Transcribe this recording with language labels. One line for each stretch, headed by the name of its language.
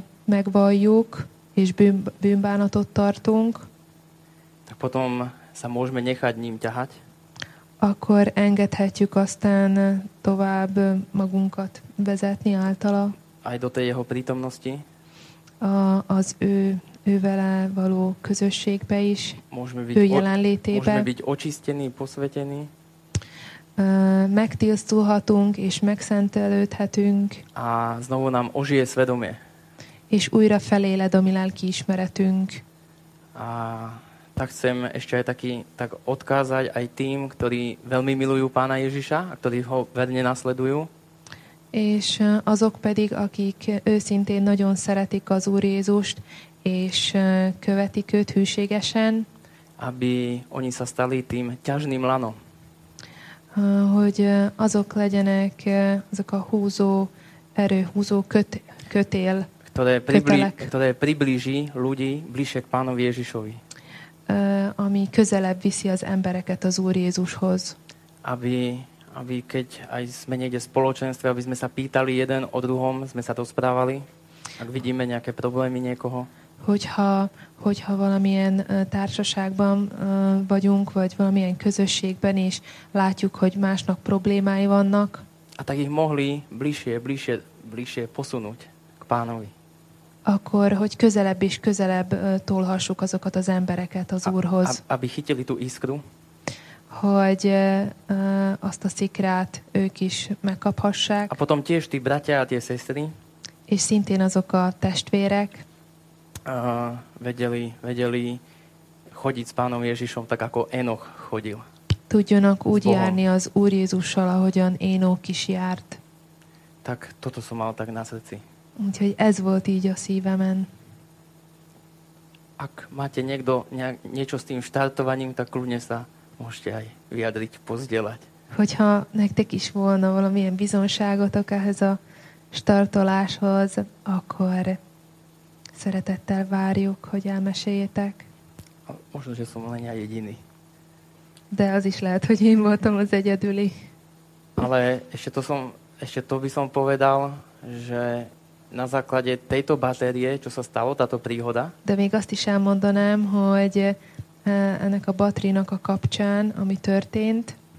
Hungarian: megvalljuk és bűnbánatot tartunk,
Slovak: tak potom sa môžeme nechať ním ťahať.
Hungarian: Akkor engedhetjük aztán tovább magunkat vezetni általa.
Slovak: Aj do tej jeho prítomnosti.
Hungarian: Az ő vele való közösségbe is.
Slovak: Môžeme byť
Hungarian: ő jelenlétébe.
Slovak: Môžeme byť očistení, posvetení.
Hungarian: Megtisztulhatunk és megszentelődhetünk.
Slovak: A znovu nám ožije svedomie.
Hungarian: És újra feléled a mi lelki ismeretünk.
Slovak: A tak chcem ešte aj taký, tak odkázať aj tým, ktorí veľmi milujú Pána Ježiša a ktorí ho verne nasledujú.
Hungarian: És azok pedig, akik őszintén nagyon szeretik az Úr Jézust, és követik őt hűségesen.
Slovak: Aby oni sa stali tým ťažným lanom.
Hungarian: Hogy azok legyenek azok a húzó erő, húzó kötél,
Slovak: ktoré priblíži ľudí bližšie k Pánovi Ježišovi.
Hungarian: Ami közelebb viszi az embereket az Úr Jézushoz.
Slovak: Aby keď aj sme niekde v spoločenstve, aby sme sa pýtali jeden o druhom, sme sa to správali, ak vidíme nejaké problémy niekoho.
Hungarian: Hogyha valamilyen társaságban vagyunk, vagy valamilyen közösségben is látjuk, hogy másnak problémái vannak.
Slovak: A tak ich mohli bližšie posunúť k Pánovi.
Hungarian: Akkor, hogy közelebb és közelebb tolhassuk azokat az embereket az Úrhoz.
Slovak: Aby chytili tú iskru.
Hungarian: Hogy azt a szikrát ők is megkaphassák.
Slovak: A potom tiež tí bratia a tie sestry.
Hungarian: És szintén azok a testvérek.
Slovak: Vedeli chodiť s Pánom Ježišom tak, ako Enoch chodil.
Hungarian: Tudjanak úgy járni az Úr Jézussal, ahogyan Enoch is járt.
Slovak: Tak toto som mal tak na srdci.
Hungarian: Úgyhogy ez volt így a szívemen.
Slovak: Ak máte niekto niečo s tým štartovaním, tak kľudne sa môžete aj vyjadriť, pozdieľať.
Hungarian: Hogyha nektek is volna valamilyen bizonságotok ehhez a startoláshoz, akkor szeretettel várjuk, hogy elmeséljétek.
Slovak: Možno, že som len ja jediný.
Hungarian: De az is lehet, hogy én voltam az egyedüli.
Slovak: Ale ešte to by som povedal, že na základe tejto batérie, čo sa stalo, táto príhoda.
Hungarian: De még azt is elmondanám, hogy ennek a batérinak a kapcsán, ami történt.